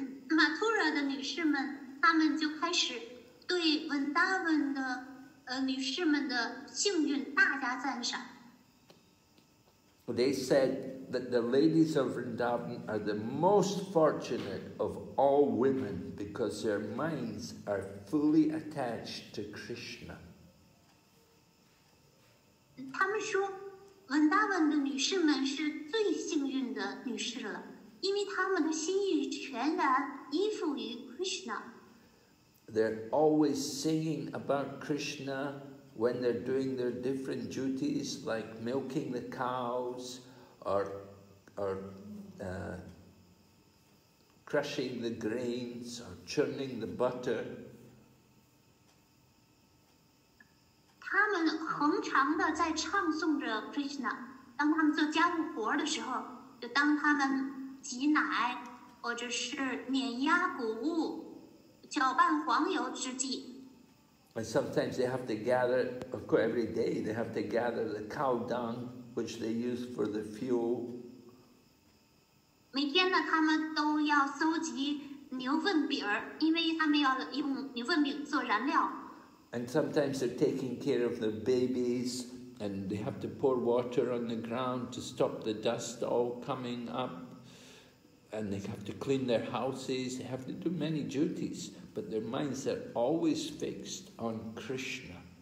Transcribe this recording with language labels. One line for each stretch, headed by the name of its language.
Chinese: Mathura 的女士们，她们就开始对文达文的女士们的幸运大加赞赏。
English: They said that the ladies of Vrindavan are the most fortunate of all women because their minds are fully attached to Krishna.
Chinese: 她们说，文达文的女士们是最幸运的女士了。因为他们的心意全然依附于 Krishna.
English: They're always singing about Krishna when they're doing their different duties, like milking the cows or crushing the grains or churning the butter.
Chinese: 他们恒常的在唱诵着 Krishna. 当他们做家务活的时候，就当他们挤奶，或者是碾压谷物、搅拌黄油之际。
English: And sometimes they have to gather, of course, every day they have to gather the cow dung, which they use for the fuel.
Chinese: 每天呢，他们都要搜集牛粪饼儿，因为他们要用牛粪饼做燃料。
English: And sometimes they're taking care of the babies, and they have to pour water on the ground to stop the dust all coming up. And they have to clean their houses, they have to do many duties, but their minds are always fixed on Krishna.